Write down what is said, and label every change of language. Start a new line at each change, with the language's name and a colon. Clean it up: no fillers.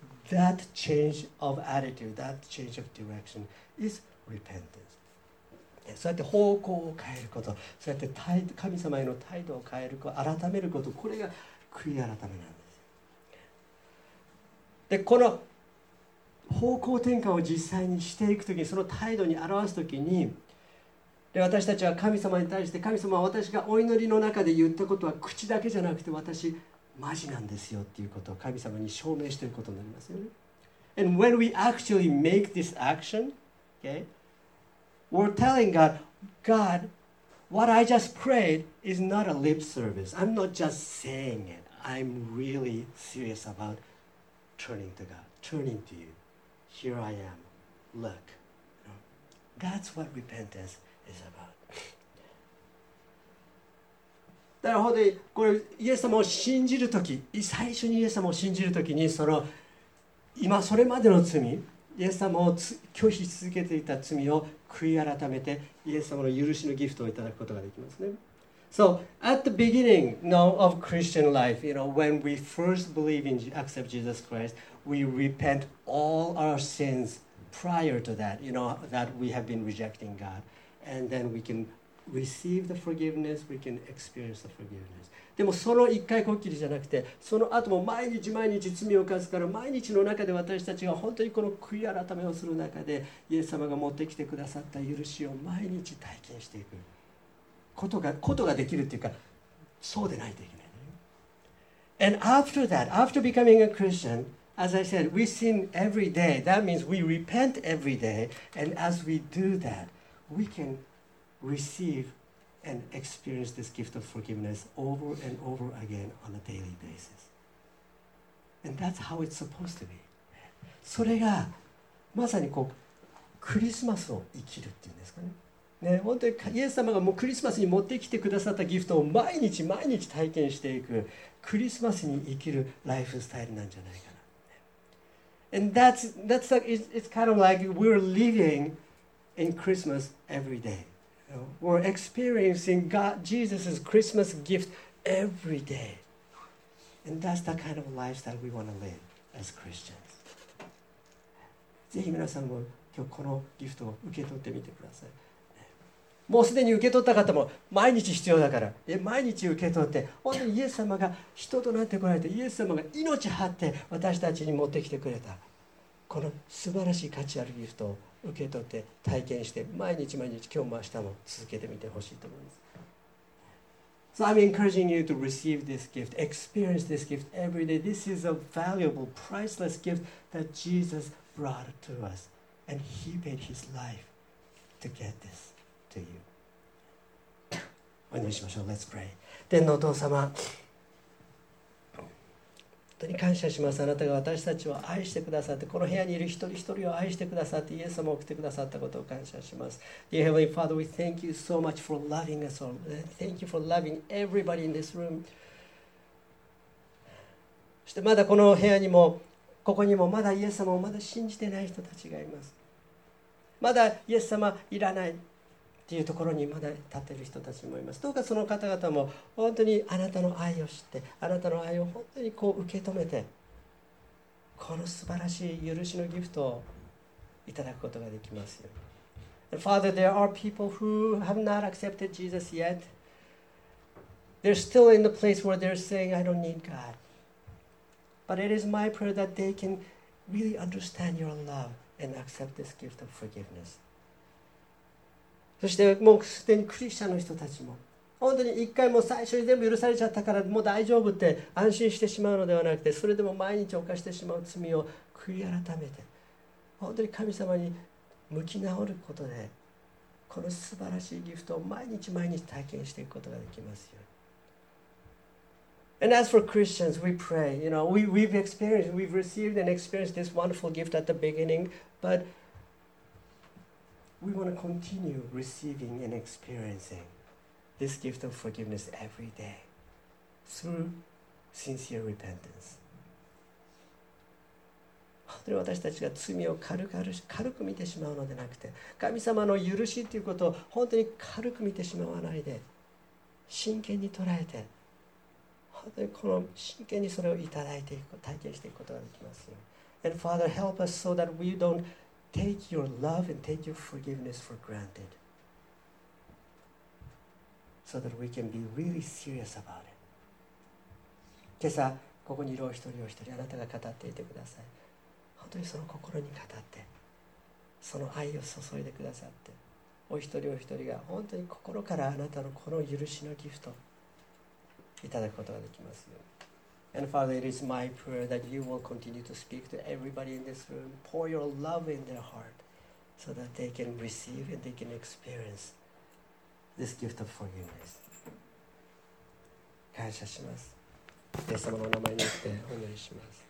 English: That change of attitude, that change of direction is repentance.
Japanese: そうやって方向を変えること、そうやって態度、神様への態度を変えること、改めること、これが悔い改めなんです。で、この方向転換を実際にしていくときに、その態度に表すときに、で、私たちは神様に対して、神様は私がお祈りの中で言ったことは口だけじゃなくて私マジなんですよっていうことを神様に証明していることになりますよね。
English: And when we actually make this action, okay? We're telling God, God, what I just prayed is not a lip service. I'm not just saying it. I'm really serious about turning to God, turning to you. Here I am. Look. You know, that's what repentance is about.
Japanese: だから本当にこれイエス様を信じるとき、最初にイエス様を信じるときに、その今それまでの罪、イエス様を拒否し続けていた罪を悔い改めてイエス様の許しのギフトをいただくことができますね。
English: So at the beginning of Christian life, you know, when we first believe in accept Jesus Christ, we repent all our sins prior to that, you know, that we have been rejecting God, and then we can receive the forgiveness, we can experience the forgiveness.
Japanese: でもその一回こっきりじゃなくて、その後も毎日毎日罪を犯すから、毎日の中で私たちが本当にこの悔い改めをする中で、イエス様が持ってきてくださった許しを毎日体験していくことができるっていうか、そうでないといけない、ね、
English: And after that, after becoming a Christian, as I said, we sin every day. That means we repent every day. And as we do that, we can receiveAnd experience this gift of forgiveness over and over again on a daily basis. And that's how it's supposed to be.
Japanese: それがまさにこうクリスマスを生きるっていうんですかね。ね、本当にイエス様がもうクリスマスに持ってきてくださったギフトを毎日毎日体験していく、クリスマスに生きるライフスタイルなんじゃないかな。
English: And that's like, it's kind of like we're living in Christmas every day. We're experiencing God, Jesus' Christmas gift every day. And that's the kind of life that we want to live as Christians.
Japanese: ぜひ皆さんも今日このギフトを受け取ってみてください。もうすでに受け取った方も毎日必要だから、で毎日受け取って、本当にイエス様が人となってこられて、イエス様が命張って私たちに持ってきてくれた、この素晴らしい価値あるギフトを受け取って体験して、毎日毎日今日も明日も続けてみてほしいと思います。
English: So I'm encouraging you to receive this gift, experience this gift every day. This is a valuable, priceless gift that Jesus brought to us, and He paid His life to get this to you.
Japanese: お祈りしましょう。
English: Let's pray.
Japanese: 天のお父様、本当に感謝します。あなたが私たちを愛してくださって、この部屋にいる一人一人を愛してくださって、イエス様を送ってくださったことを感謝します。
English: Dear Heavenly Father, we thank you so much for loving us all. Thank you for loving everybody in this room.
Japanese: そしてまだこの部屋にも、ここにもまだイエス様をまだ信じてない人たちがいます。まだイエス様いらないっていうところにまだ立っている人たちもいます。どうかその方々も本当にあなたの愛を知って、あなたの愛を本当にこう受け止めて、この素晴らしい許しのギフトをいただくことができますよ。
English: And Father, there are people who have not accepted Jesus yet. They're still in the place where they're saying, I don't need God. But it is my prayer that they can really understand your love and accept this gift of forgiveness.
Japanese: そしてもうすでにクリスチャンの人たちも、本当に一回も最初に全部許されちゃったからもう大丈夫って安心してしまうのではなくて、それでも毎日犯してしまう罪を悔い改めて本当に神様に向き直ることで、この素晴らしいギフトを毎日毎日体験していくことができますよ。
English: And as for Christians, we pray. You know, we've experienced, we've received and experienced this wonderful gift at the beginning, but we want to continue receiving and experiencing this gift of forgiveness every day through sincere repentance.
Japanese: 本当に私たちが罪を軽く見てしまうのでなくて、神様の許しということを本当に軽く見てしまわないで、真剣に捉えて、本当にこの真剣にそれをいただいていく、体験していくことができますよ。
English: And Father, help us so that we don't take your love and take your forgiveness for granted. So that we can be really serious about it.
Japanese: 今朝、ここにいるお一人お一人、あなたが語っていてください。本当にその心に語って、その愛を注いでくださって、お一人お一人が本当に心からあなたのこの許しのギフト、いただくことができますよ。
English: And Father, it is my prayer that you will continue to speak to everybody in this room. Pour your love in their heart so that they can receive and they can experience this gift of forgiveness.
Japanese: 感謝します。イエス様のお名前によってお祈りします。